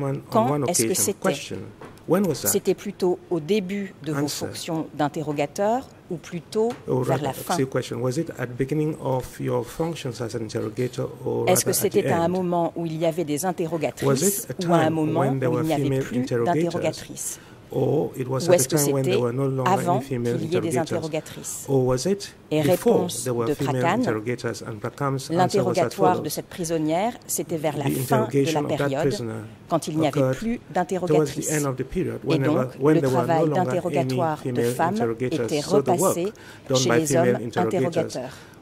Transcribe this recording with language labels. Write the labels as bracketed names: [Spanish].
[French] Quand est-ce que c'était ? C'était plutôt au début de vos fonctions d'interrogateur ou plutôt vers la fin ? Est-ce que c'était à un moment où il y avait des interrogatrices ou à un moment où il n'y avait plus d'interrogatrices ? [English] Or it was [French] ou [English] at a time when there were no longer any female interrogators. Or was it before there were Prakan, female interrogators? And Prakan's [French] l'interrogatoire de cette prisonnière, c'était vers la fin de la période, quand il n'y avait plus d'interrogatrices. [English] The end of the period, [French] et donc, le travail d'interrogatoire de femmes était repassé chez les hommes interrogateurs.